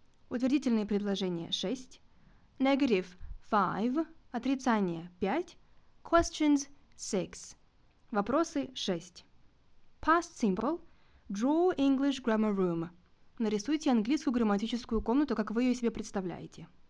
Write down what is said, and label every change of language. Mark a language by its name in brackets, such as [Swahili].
[Russian] Утвердительные предложения 6, negative 5, отрицание 5, questions 6, вопросы 6. [English] Past simple, draw English grammar room. [Russian] Нарисуйте английскую грамматическую комнату, как вы ее себе представляете.